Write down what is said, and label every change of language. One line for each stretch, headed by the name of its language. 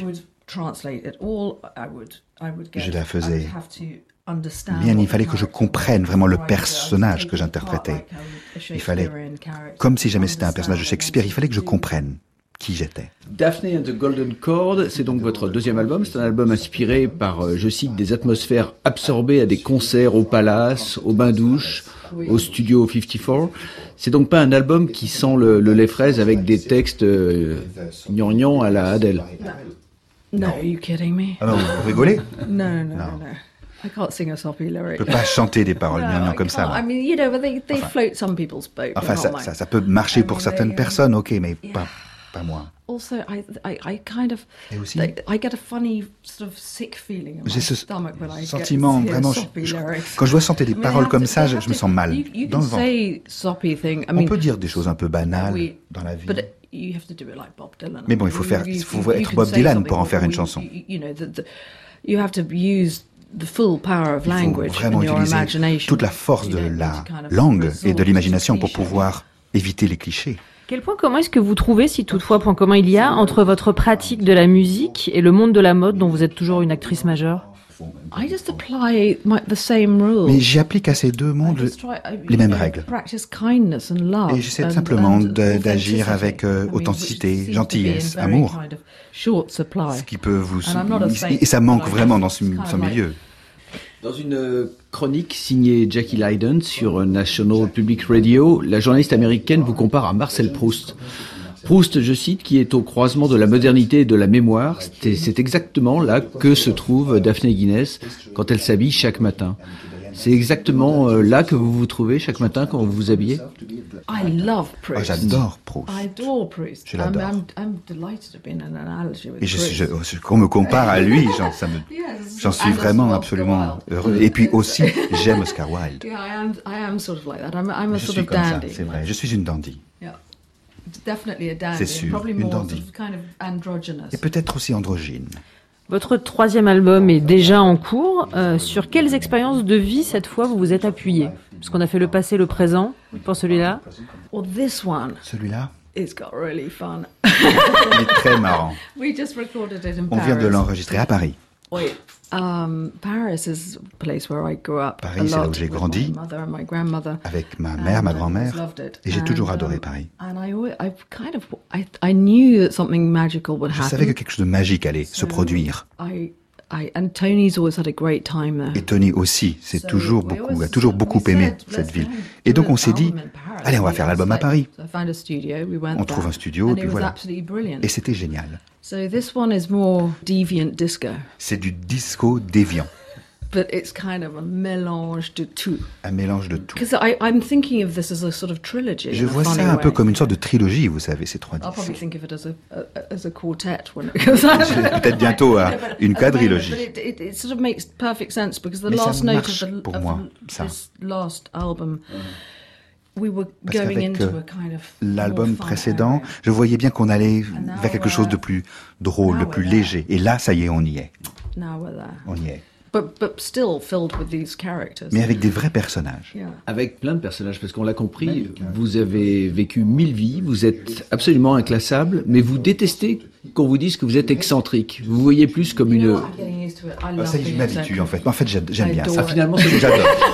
English: I would translate it all. I would get.
French: Je la faisais.
English: I would have to understand.
French: Bien, il fallait que je comprenne vraiment le personnage que j'interprétais. Il fallait, comme si jamais c'était un personnage de Shakespeare, il fallait que je comprenne qui j'étais. Daphne and the Golden Cord, c'est donc votre deuxième album. C'est un album inspiré par, je cite, des atmosphères absorbées à des concerts au Palace, au Bain-Douche, au studio 54. C'est donc pas un album qui sent le lait fraise avec des textes gnangnang à la Adèle.
English: Non, are you kidding me?
French: Ah non, vous rigolez? Non.
English: I can't sing a soppy lyric.
French: Je peux pas chanter des paroles gnangnang comme ça.
English: I mean, you know, they float some people's boat.
French: Enfin, ça peut marcher pour certaines personnes, ok, mais pas moi.
English: Also, I kind of.
French: Et aussi,
English: I get a funny sort of sick feeling in my stomach when I hear
French: sentiment vraiment. Quand je vois chanter des paroles comme ça, je me sens mal dans le ventre. On peut dire des choses un peu banales dans la vie.
English: You have to do it like Bob Dylan.
French: Mais bon, il faut être Bob Dylan pour en faire une chanson.
English: You know, you have to use the full power of language and your imagination.
French: Il faut vraiment utiliser toute la force de la langue et de l'imagination pour pouvoir éviter les clichés. Quel point commun est-ce que vous trouvez, si toutefois point commun il y a, entre votre pratique de la musique et le monde de la mode dont vous êtes toujours une actrice majeure?
English: I just apply the same rules.
French: Mais j'applique à ces deux mondes les mêmes règles.
English: Practice kindness and love.
French: Et j'essaie simplement d'agir avec authenticité, gentillesse, amour. Ce qui peut vous... Et ça manque vraiment dans ce milieu. Dans une chronique signée Jackie Lydon sur National Public Radio, la journaliste américaine vous compare à Marcel Proust. Proust, je cite, qui est au croisement de la modernité et de la mémoire. C'est exactement là que se trouve Daphne Guinness quand elle s'habille chaque matin. C'est exactement là que vous vous trouvez chaque matin quand vous vous habillez.
English: I love Proust.
French: Oh, j'adore Proust.
English: I adore Proust.
French: Je l'adore.
English: I'm delighted to be in an analogy with
French: et
English: Proust.
French: Qu'on me compare à lui, j'en suis vraiment absolument heureux. Et puis aussi, j'aime Oscar Wilde.
English: Yeah, I am sort of like that. I'm a
French: je
English: sort
French: suis
English: of
French: comme
English: dandy.
French: Ça, c'est vrai. Je suis une dandy.
English: Yeah. Definitely a dandy.
French: C'est sûr,
English: probably
French: une dandy.
English: Sort of kind of androgynous.
French: Et peut-être aussi androgyne. Votre troisième album est déjà en cours. Sur quelles expériences de vie, cette fois, vous vous êtes appuyé? Parce qu'on a fait le passé, le présent, pour celui-là.
English: Well, this one.
French: Celui-là.
English: It's got really fun.
French: Il est très marrant.
English: We just recorded it in Paris.
French: On vient de l'enregistrer à Paris. Oui.
English: Paris is a place where I grew up.
French: Paris, c'est là où j'ai grandi.
English: With my mother and my grandmother.
French: Avec ma mère, ma grand-mère.
English: I loved it.
French: Et j'ai toujours adoré Paris.
English: And I knew that something magical would happen.
French: Je savais que quelque chose de magique allait se produire.
English: And Tony's always had a great time there.
French: Et Tony aussi, c'est toujours beaucoup, a toujours beaucoup aimé cette ville. Et donc on s'est dit, allez, on va faire l'album à Paris. On trouve un studio, et puis voilà. Et c'était génial.
English: So this one is more deviant disco.
French: C'est du disco déviant.
English: But it's kind of a
French: mélange de tout. Un mélange de tout.
English: Because I'm thinking of this as a sort of trilogy.
French: Je vois ça un peu comme une sorte de trilogie, vous savez, ces trois disques.
English: I'll probably think of it as a quartet when it comes out.
French: Peut-être bientôt une quadrilogie.
English: But it sort of makes perfect sense because the last note of the last album
French: Parce qu'avec l'album précédent, je voyais bien qu'on allait vers quelque chose de plus drôle, de plus léger. Et là, ça y est, on y est. On y est.
English: But still filled with these characters.
French: Mais avec des vrais personnages.
English: Yeah.
French: Avec plein de personnages, parce qu'on l'a compris, vous avez vécu mille vies, vous êtes absolument inclassable, mais vous détestez qu'on vous dise que vous êtes excentrique. Vous voyez plus comme une... Ça y est, je m'habitue, en fait. Mais en fait, j'aime bien ça. Finalement, c'est que j'adore.